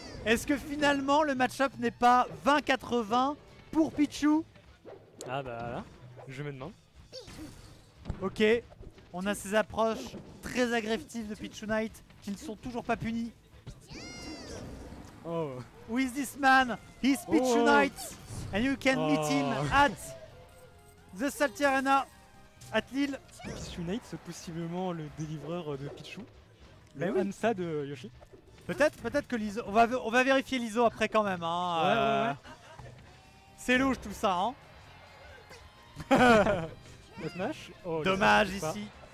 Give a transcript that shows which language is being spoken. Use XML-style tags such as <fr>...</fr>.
<fr>Est-ce que finalement le match-up n'est pas 20-80 pour Pichu? Ah bah là, je me demande. Ok, on a ces approches très agressives de Pichu Knight qui ne sont toujours pas punies. Oh.</fr> <en>Who is this man? He's Pichu Knight and you can meet him at the Salty Arena at Lille.</en> <fr>Pichu Knight, c'est possiblement le délivreur de Pichu. Le Hamsa de Yoshi. Peut-être que l'ISO. On va vérifier l'ISO après quand même. Hein. Ouais. C'est louche tout ça. Hein. Le smash. Oh, dommage ici.</fr>